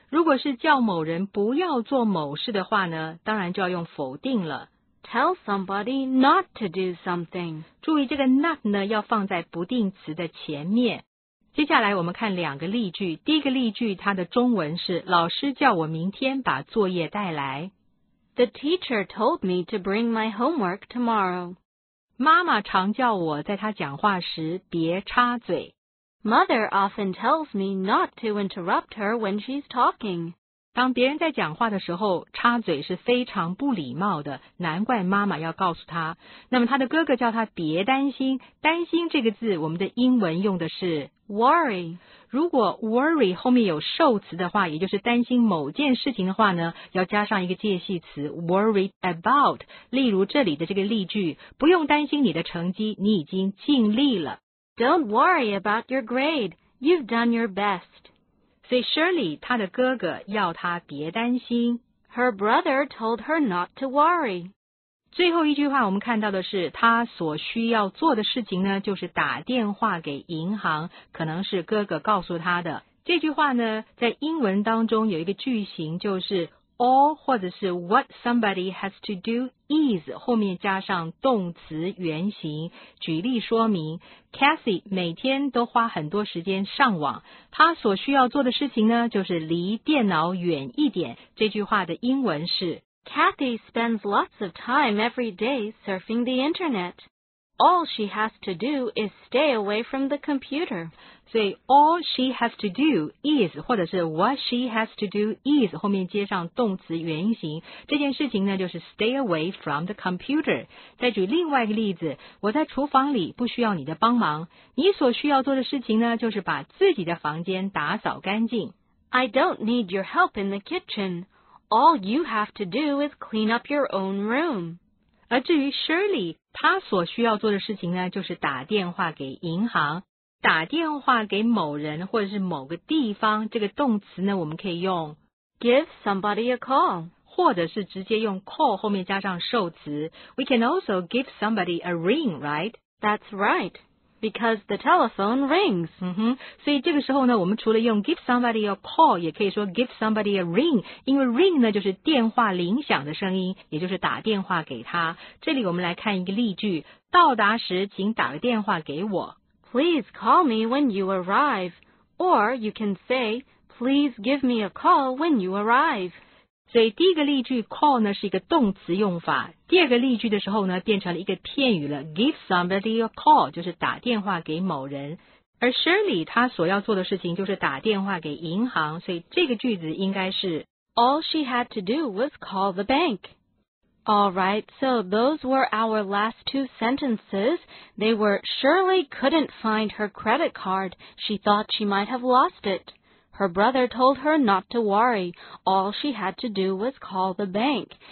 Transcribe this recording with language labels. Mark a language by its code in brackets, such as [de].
[zh] 如果是叫某人不要做某事的话呢，当然就要用否定了。 [en] tell somebody not to do something。 [zh] 注意这个 not 呢，要放在不定词的前面。接下来我们看两个例句，第一个例句它的中文是老师叫我明天把作业带来。 [en] The teacher told me to bring my homework tomorrow. [zh] 妈妈常叫我在她讲话时别插嘴。 [en] Mother often tells me not to interrupt her when she's talking. [zh] 当别人在讲话的时候插嘴是非常不礼貌的，难怪妈妈要告诉她。那么她的哥哥叫她别担心，担心这个字我们的英文用的是 [en] Worry. [zh] 如果 worry 后面有受词的话，也就是担心某件事情的话呢，要加上一个介系词 worried about. 例如这里的这个例句，不用担心你的成绩，你已经尽力了。 [en] Don't worry about your grade. You've done your best. [zh] 所以 Shirley 她的哥哥要她别担心。 [en] Her brother told her not to worry. [zh] 最后一句话我们看到的是他所需要做的事情呢，就是打电话给银行，可能是哥哥告诉他的。这句话呢在英文当中有一个句型，就是 all 或者是 [en] what somebody has to do is [zh] 后面加上动词原形。举例说明， Cathy 每天都花很多时间上网，他所需要做的事情呢就是离电脑远一点。这句话的英文是 [en] Cathy spends lots of time every day surfing the internet. All she has to do is stay away from the computer. [zh] 所以 [en] all she has to do is [zh] 或者是 [en] what she has to do is [zh] 后面接上动词原形，这件事情呢就是 [en] stay away from the computer. [zh] 再举另外一个例子，我在厨房里不需要你的帮忙，你所需要做的事情呢就是把自己的房间打扫干净。 [en] I don't need your help in the kitchen. All you have to do is clean up your own room. [zh] 而至于 Shirley, 她所需要做的事情呢，就是打电话给银行。打电话给某人或者是某个地方，这个动词呢，我们可以用 [en] give somebody a call, [zh] 或者是直接用 call 后面加上受词。 [en] We can also give somebody a ring, right? That's right. Because the telephone rings. [zh] 所以这个时候呢，我们除了用 [en] give somebody a call, [zh] 也可以说 [en] give somebody a ring. [zh] 因为 ring 呢就是电话铃响的声音，也就是打电话给他。这里我们来看一个例句，到达时请打个电话给我。 [en] Please call me when you arrive. Or you can say, please give me a call when you arrive. [zh] 所以第一个例句 call 呢是一个动词用法，第二个例句的时候呢变成了一个片语了， [en] give somebody a call [zh] 就是打电话给某人。而 Shirley 她所要做的事情就是打电话给银行，所以这个句子应该是 [en] All she had to do was call the bank. All right, so those were our last two sentences. They were Shirley couldn't find her credit card. She thought she might have lost it. Her brother told her not to worry. All she had to do was call the bank.